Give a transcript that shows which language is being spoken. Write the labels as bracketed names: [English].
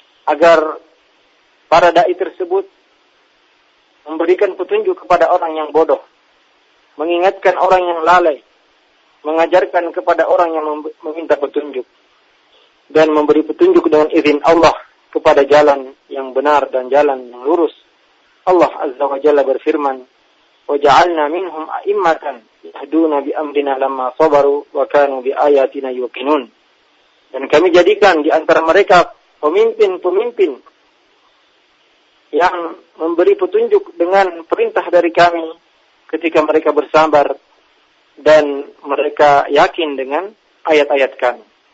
[Indonesian] agar para dai tersebut memberikan petunjuk kepada orang yang bodoh, mengingatkan orang yang lalai, mengajarkan kepada orang yang meminta petunjuk, dan memberi petunjuk dengan izin Allah kepada jalan yang benar dan jalan yang lurus. [Arabic] Allah Azza wa Jalla berfirman, وَجَعَلْنَا مِنْهُمْ أَئِمَّةً يَهْدُونَ بِأَمْرِنَا لَمَّا صَبَرُوا وَكَانُوا بِآيَاتِنَا يُوقِنُونَ. [Indonesian] Dan kami jadikan di antara mereka pemimpin-pemimpin yang memberi petunjuk dengan perintah dari kami ketika mereka bersabar dan mereka yakin dengan ayat-ayat kami.